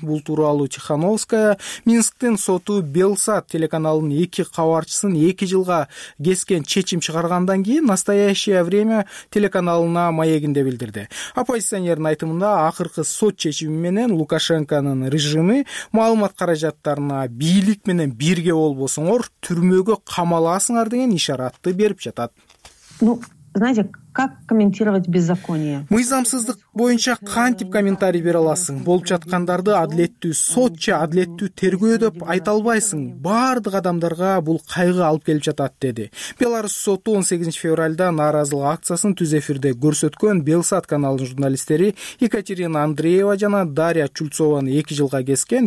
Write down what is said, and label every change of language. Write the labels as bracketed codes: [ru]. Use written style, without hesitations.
[ky] Бул тууралуу Тихановская Минсктин соту Белсат телеканалынын 2 кабарчысын 2 жылга кескен чечим чыгаргандан кийин Настоящее время телеканалына маегинде билдирди. Оппозиционердин айтымында акыркы сот чечими менен Лукашенконун режими маалымат каражаттарына бийлик менен бирге болбосоңор түрмөгө камаласыңар деген ишаратты берип жатат. [ru] Ну, знаете, как комментировать беззаконие? [ky] Мыйзамсыздык боюнча кантип комментарий бере аласың? Болуп жаткандарды адилеттүү сотча, адилеттүү тергөө деп айта албайсың. Бардык адамдарга бул кайгы алып келип жатат, деди. Беларусь соту 18-февралда нааразылык акциясын түз эфирде көрсөткөн Белсат каналынын журналисттери Екатерина Андреева жана Дарья Чульцованы 2 жылга кескен.